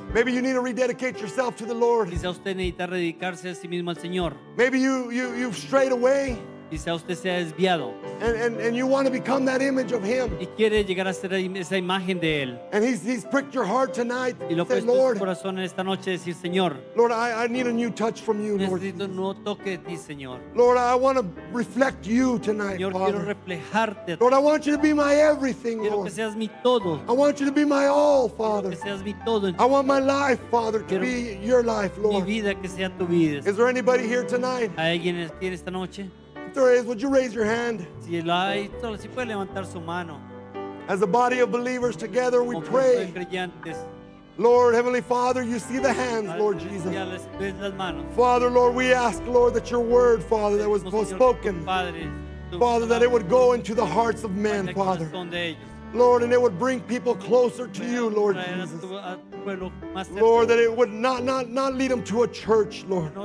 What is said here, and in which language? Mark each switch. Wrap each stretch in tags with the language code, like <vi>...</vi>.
<en>Maybe you need to rededicate yourself to the Lord.</en> <es>Quizá usted necesita dedicarse a sí mismo al Señor.</es> <en>Maybe you've strayed away.</en> <es>Quizá usted se ha desviado.</es> <en>And you want to become that image of Him.</en> <es>Y quiere llegar a ser esa imagen de él.</es> <en>And He's pricked your heart tonight.</en> <es>Y lo ha puesto en su corazón esta noche decir Señor.</es> <en>Lord, I need a new touch from you, Lord.</en> <es>Necesito un nuevo toque de ti, Señor.</es> <en>Lord, I want to reflect you tonight,</en> <es>Señor,</es> <en>Father.</en> <es>Quiero reflejarte.</es> <en>Lord, I want you to be my everything,</en> <es>quiero</es> <en>Lord.</en> <es>Quiero que seas mi todo.</es> <en>I want you to be my all, Father.</en> <es>Quiero que seas mi todo.</es> <en>I want my life, Father, to</en> <es>quiero</es> <en>be your life, Lord.</en> <es>Mi vida que sea tu vida.</es> <en>Is there anybody here tonight?</en> <es>¿Hay alguien aquí esta noche?</es> <en>If there is, would you raise your hand?</en> <es>Si la hay, solo si puede levantar su mano.</es> <en>As a body of believers together, we pray.</en> <es>Como grupo de creyentes.</es> <en>Lord, Heavenly Father, you see the hands, Lord Jesus. Father, Lord, we ask, Lord, that your word, Father, that was spoken, Father, that it would go into the hearts of men, Father. Lord, and it would bring people closer to you, Lord Jesus. Lord, that it would not lead them to a church, Lord.</en>